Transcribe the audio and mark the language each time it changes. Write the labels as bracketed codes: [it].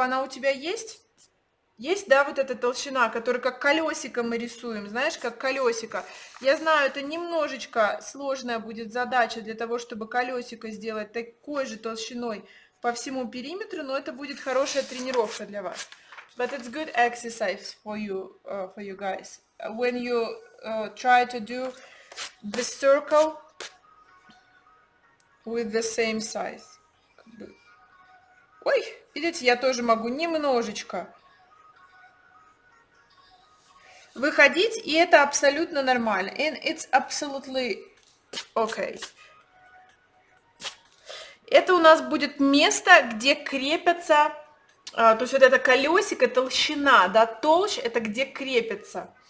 [ru] Она у тебя есть? Есть, да, вот эта толщина, которую как колесико мы рисуем, знаешь, как колесико. Я знаю, это немножечко сложная будет задача для того, чтобы колесико сделать такой же толщиной по всему периметру, но это будет хорошая тренировка для вас. [en] But it's good exercise for you guys. When you try to do the circle with the same size. [ru] Ой, видите, я тоже могу немножечко выходить, и это абсолютно нормально. [en] And it's absolutely okay. [ru] Это у нас будет место, где крепятся. То есть вот это колесико, толщина, да, толщь, это где крепится.